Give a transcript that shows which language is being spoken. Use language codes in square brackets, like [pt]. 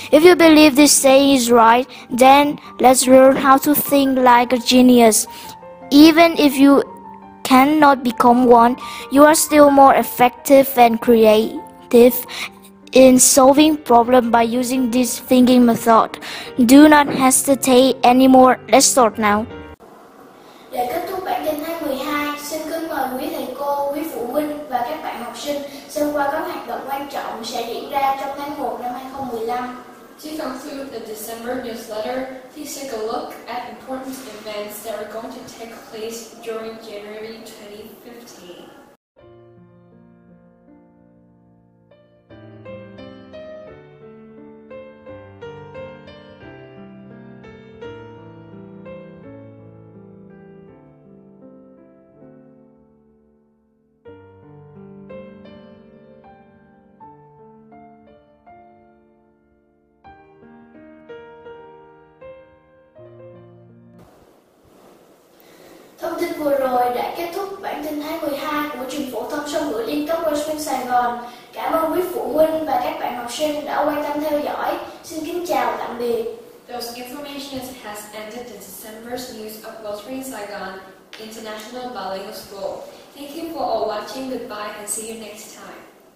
[en] If you believe this saying is right, then let's learn how to think like a genius. Even if you cannot become one, you are still more effective and creative in solving problems by using this thinking method. Do not hesitate anymore. Let's start now. [vi] Để kết thúc bản tin tháng 12, xin kính mời quý thầy cô, quý phụ huynh và các bạn học sinh xem qua các hoạt động quan trọng sẽ diễn ra trong tháng 1 năm 2015. [en] To conclude the December newsletter, please take a look at important events that are going to take place during January 2015. [vi] Thông tin vừa rồi đã kết thúc bản tin tháng 12 của trường phổ thông song ngữ liên cấp Westwing Sài Gòn. Cảm ơn quý phụ huynh và các bạn học sinh đã quan tâm theo dõi. Xin kính chào, tạm biệt. [en] Those information has ended the December's news of Westwing Saigon International Bilingual School. Thank you for all watching. Goodbye and see you next time.